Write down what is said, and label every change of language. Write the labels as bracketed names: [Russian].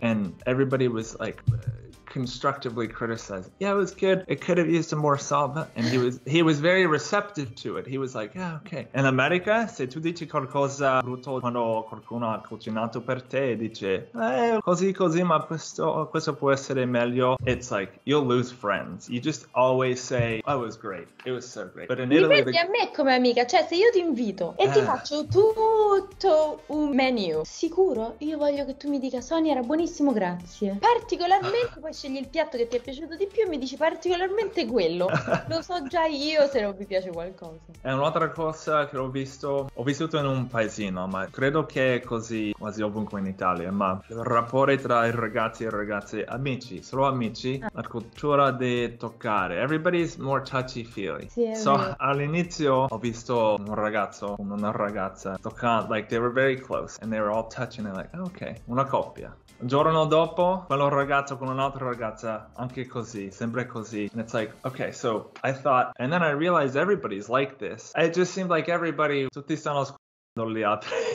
[English] And everybody was like, constructively criticized. Yeah, it was good. It could have used some more salt. And he was very receptive to it. He was like, yeah, okay. [Italian] In America, se tu dici qualcosa brutto quando qualcuno ha cucinato per te e dice, così così, ma questo può essere meglio. [English] It's like, you'll lose friends. You just always say, oh, it was great. It was so great. [Italian] But in Italy, a me come amica, cioè se io ti invito e ti faccio tutto un menu, sicuro? Io voglio che tu mi dica, Sonia, era buonissimo, grazie. Particolarmente scegli il piatto che ti è piaciuto di più e mi dici particolarmente quello. Lo so già io se non mi piace qualcosa. È un'altra cosa che ho visto, ho vissuto in un paesino, ma credo che è così quasi ovunque in Italia, ma il rapporto tra i ragazzi e le ragazze, amici, solo amici, la cultura di toccare. [English] Everybody's more touchy-feely. [Italian] Sì, [English] so, [Italian] all'inizio ho visto un ragazzo con una ragazza toccando, [English] like they were very close and they were all touching, and like, okay, [Italian] una coppia. Il giorno dopo, quello ragazzo con un'altra ragazza, anche così, sempre così. [English] And it's like, okay, so I thought, and then I realized everybody's like this. It just seemed like everybody, [Italian] tutti stanno scordando gli altri.